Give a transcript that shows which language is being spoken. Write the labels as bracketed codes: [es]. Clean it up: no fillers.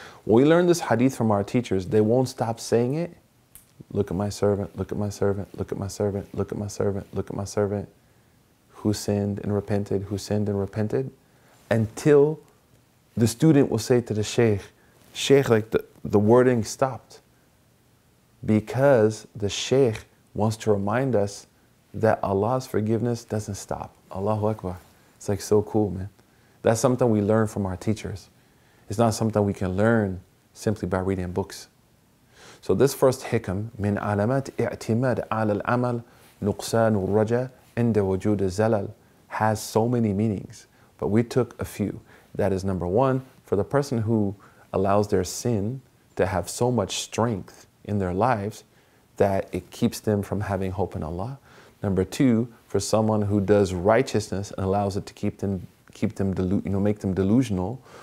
[en] When we learn this hadith from our teachers, they won't stop saying it. Look at my servant, look at my servant, look at my servant, look at my servant, look at my servant, who sinned and repented, who sinned and repented, until the student will say to the sheikh, sheikh, like the wording stopped, because the sheikh wants to remind us that Allah's forgiveness doesn't stop. Allahu Akbar. It's like so cool, man. That's something we learn from our teachers. It's not something we can learn simply by reading books. So this first hikam, [ar] من علامات اعتماد على العمل نقصان الرجاء عند وجود الزلل, [en] has so many meanings. But we took a few. That is number one, for the person who allows their sin to have so much strength in their lives that it keeps them from having hope in Allah. Number two, for someone who does righteousness and allows it to make them delusional.